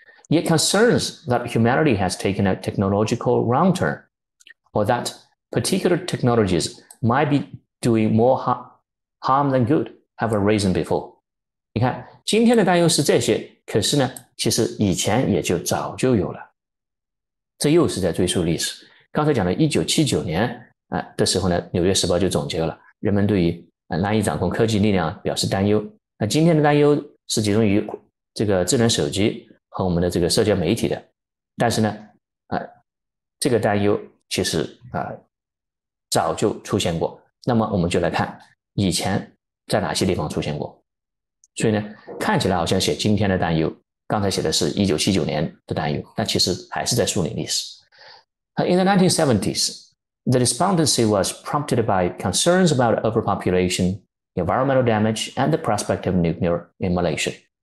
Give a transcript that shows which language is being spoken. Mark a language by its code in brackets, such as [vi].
[en] It concerns that humanity has taken a technological wrong turn, or that particular technologies might be doing more harm than good have arisen before。 [zh] 你看，今天的担忧是这些，可是呢，其实以前也就早就有了。这又是在追溯历史。刚才讲的1979年。的时候呢，《纽约时报》就总结了人们对于难以掌控科技力量表示担忧。那今天的担忧是集中于这个智能手机和我们的这个社交媒体的，但是呢，这个担忧其实早就出现过。那么我们就来看以前在哪些地方出现过。所以呢，看起来好像写今天的担忧，刚才写的是1979年的担忧，但其实还是在梳理历史。 [en] In the 1970s。 The despondency was prompted by concerns about overpopulation, environmental damage, and the prospect of nuclear immolation.